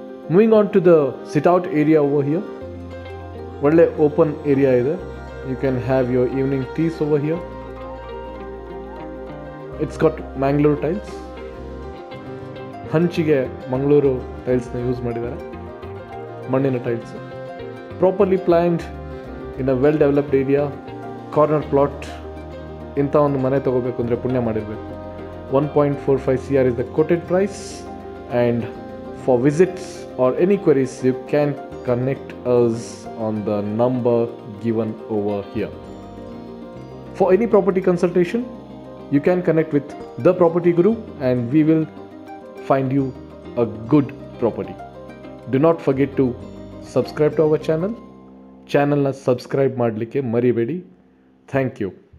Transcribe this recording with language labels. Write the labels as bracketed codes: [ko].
[en] Moving on to the sit-out area over here. [kn] Valle open area ide. [en] You can have your evening teas over here. It's got Mangalore tiles. [kn] ಹಂಚಿಗೆ Mangaluru ಟೈಲ್ಸ್ನ use ಮಾಡಿದ್ದಾರೆ, ಮಣ್ಣಿನ tiles. [en] Properly planned in a well developed area, corner plot. [kn] ಇಂಥ ಒಂದು ಮನೆ ತೊಗೋಬೇಕು ಅಂದರೆ ಪುಣ್ಯ ಮಾಡಿರಬೇಕು. 1.45 CR [en] Is the quoted price. And for visits or any queries you can connect us on the number given over here. For any property consultation you can connect with the property guru and we will find you a good property. Do not forget to subscribe to our channel. [kn] Channel na subscribe madlike maribedi. [en] Thank you.